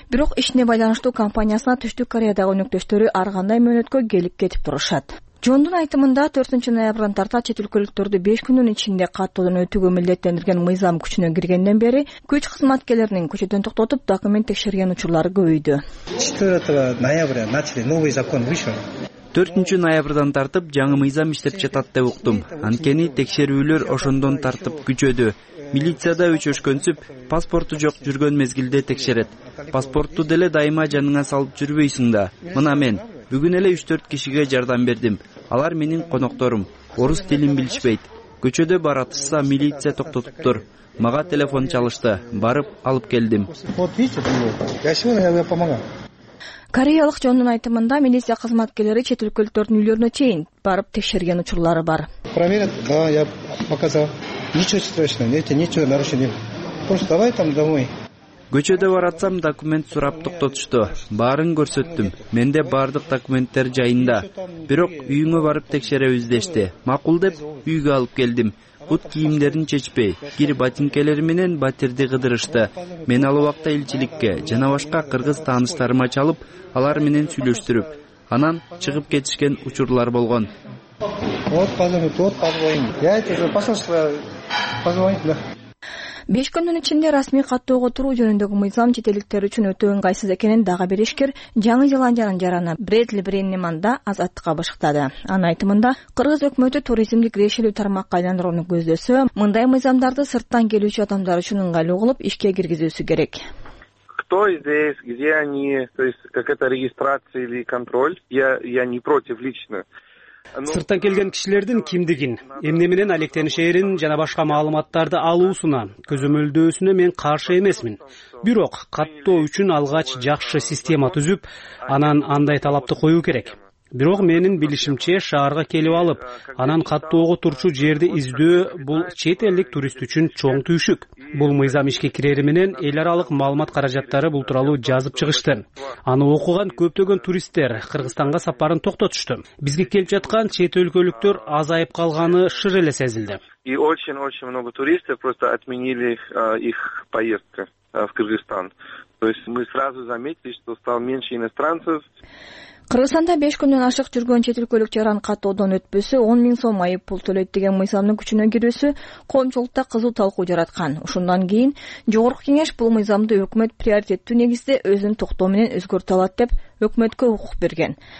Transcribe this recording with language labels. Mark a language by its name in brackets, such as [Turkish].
[Kyrgyz] Бирок ишине байланыштуу компаниясына Түштүк Кореядагы өнөктөштөрү ар кандай мөөнөткө келип кетип турушат. Джондун айтымында 4 ноябрдан тарта чет өлкөлүктөрдү 5 күндүн ичинде каттоодон өтүүгө милдеттендирген мыйзам күчүнө киргенден бери күч кызматкерлеринин көчөдөн токтотуп документ текшерген учурлар көбөйдү. [Russian] 4 ноябрда начали новый закон вышел. [Kyrgyz] 4 ноябрдан тартып жаңы мыйзам иштеп жатат деп уктум. Анткени текшерүүлөр ошондон тартып күчөдү. Милицияда өчөшкөнсүп, паспорту жок жүргөн мезгилде текшерет. Паспортту деле дайыма жаныңа салып жүрбөйсүң да. Мына мен бүгүн эле 3-4 кишиге жардам бердим. Алар менин конокторум. Орус тилин билишпейт. Көчөдө баратышса милиция токтотуп тур. Мага телефон чалышты. Барып алып келдим. Кореялык жондун айтымында милиция кызматкерлери чет өлкөлүктөрдүн үйлөрүнө чейин барып текшерген учурлары бар. [Russian] Проверят, да, я показал. Ничего страшного, нет, ничего нарушения. Просто давай там домой. [Kyrgyz] Көчөдө баратсам документ сурап токтотушту. Баарын көрсөттүм. Менде бардык документтер жайында. Бирок үйүңө барып текшеребиз дешти. Макул деп үйгө алып келдим. Бут кийимдерин чечпей, кир ботинкелери менен батирди кыдырышты. Мен ал убакта элчиликке жана башка кыргыз тааныштарыма чалып, алар менен сүйлөштүрүп, анан чыгып кетишкен учурлар болгон. [Russian] Вот, позвоните, вот, позвоните. Я тебе послал, что позвоните, да. [Kyrgyz] 5 күндүн ичинде расмий каттоого туруу жөнүндөгү мыйзам чет элдиктер үчүн өтө ыңгайсыз экенин дагы бир ишкер Жаңы Зеландиянын жараны Брэдли Бреннеман да азаттыкка бышыктады. Анын айтымында кыргыз өкмөтү туризмди кирешелүү тармакка айландырууну көздөсө, мындай мыйзамдарды сырттан келүүчү адамдар үчүн ыңгайлуу кылып ишке киргизүүсү керек. [Russian] Кто здесь, где они, то есть как это регистрация или контроль? Я не против лично. [Kyrgyz] Сырттан келген кишилердин кимдигин, эмне менен алектенишэрин жана башка маалыматтарды алуусуна, көзөмөлдөөсүнө мен каршы эмесмин. Бирок каттоо үчүн алгач жакшы система түзүп, анан андай талапты коюу керек. Бирок менин билишимче шаарга келип алып, анан каттоого турчу жерди издөө бул чет элдик турист үчүн чоң түйшүк. Бул мыйзам ишке кирери менен эл аралык маалымат каражаттары бул тууралуу жазып чыгышты. Аны окуган көптөгөн туристтер Кыргызстанга сапарын токтотушту. Бизге келип жаткан чет өлкөлүктөр азайып калганы шыр эле сезилди. [Russian] И очень-очень много туристов просто отменили их поездки в Кыргызстан. То есть мы сразу заметили, что стало меньше иностранцев. [Kyrgyz] Кыргызстанда 5 күндөн ашык жүргөн чет өлкөлүк жаран каттоодон өтпөсө 10,000 сом айып пул төлөйт деген мыйзамдын күчүнө кирүүсү коомчулукта кызуу талкуу жараткан. Ушундан кийин Жогорку Кеңеш бул мыйзамды өкмөт приоритеттүү негизде өзүнүн токтоо менен өзгөртө алат деп өкмөткө укук берген.